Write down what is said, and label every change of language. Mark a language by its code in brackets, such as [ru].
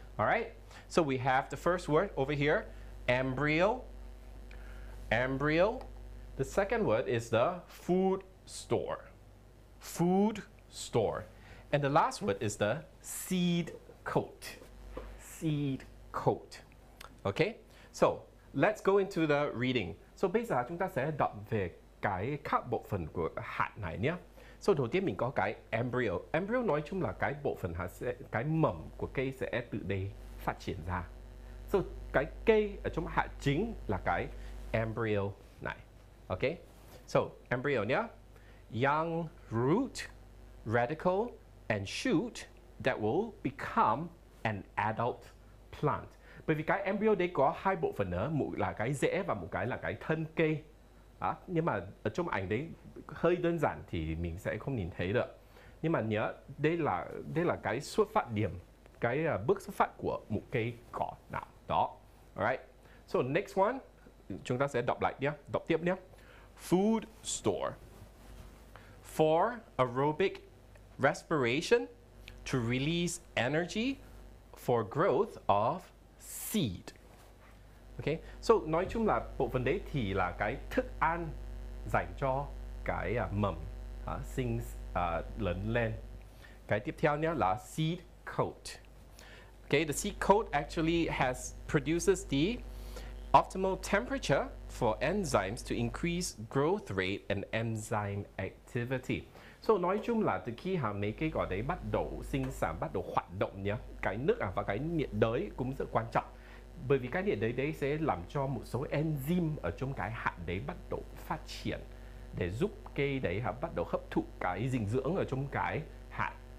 [en] All right, so we have the first word over here, embryo. The second word is the food store. And the last word is the seed coat. Okay, so let's go into the reading. So basically, [vi] chúng ta sẽ đọc về cái các bộ phận của hạt này nhé. So đầu tiên mình có cái embryo. Embryo nói chung là cái bộ phận hạt, cái mầm của cây sẽ tự đây phát triển ra. So cái cây ở trong hạt chính là cái embryo này. Okay? So embryo nhé. [en] Young root, radical, and shoot that will become an adult plant. [vi] Bởi vì cái embryo đấy có hai bộ phận nữa, một là cái rễ và một cái là cái thân cây. Nhưng mà ở trong ảnh đấy hơi đơn giản thì mình sẽ không nhìn thấy được. Nhưng mà nhớ, đây là cái xuất phát điểm, cái bước xuất phát của một cây cỏ nào đó. [en] Alright, so next one, [vi] chúng ta sẽ đọc lại nhé, đọc tiếp nhé. [en] Food store. For aerobic respiration to release energy for growth of seed. [vi] Okay, so nói chung là bộ phận đấy thì là cái thức ăn dành cho cái mầm sinh lớn lên. Cái tiếp theo nhé là seed coat. [en] Okay, the seed coat actually produces the optimal temperature for enzymes to increase growth rate and enzyme activity. [vi] So nói chung là từ khi mấy cây cỏ đấy bắt đầu sinh sản, bắt đầu hoạt động nhé, cái nước và cái nhiệt đới cũng rất quan trọng. Bởi vì cái nhiệt đới đấy sẽ làm cho một số enzyme ở trong cái hạt đấy bắt đầu phát triển để giúp cây đấy bắt đầu hấp thụ cái dinh dưỡng ở trong cái hạt.